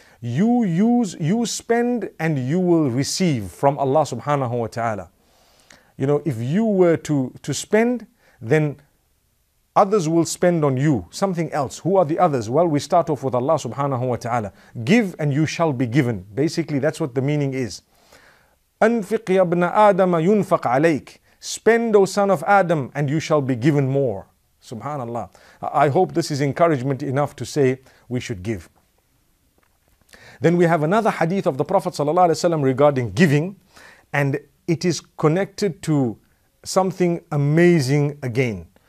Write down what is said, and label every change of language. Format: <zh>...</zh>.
<en>You spend and you will receive from Allah subhanahu wa ta'ala. You know, if you were to spend, then others will spend on you. Something else. Who are the others? Well, we start off with Allah subhanahu wa ta'ala. Give and you shall be given. Basically, that's what the meaning is.</en> <ar>أنفق يا ابن آدم ينفق عليك.</ar> <en>Spend, O son of Adam, and you shall be given more. Subhanallah. I hope this is encouragement enough to say we should give. Then we have another hadith of the Prophet sallallahu alaihi wasallam regarding giving. And it is connected to something amazing again.</en>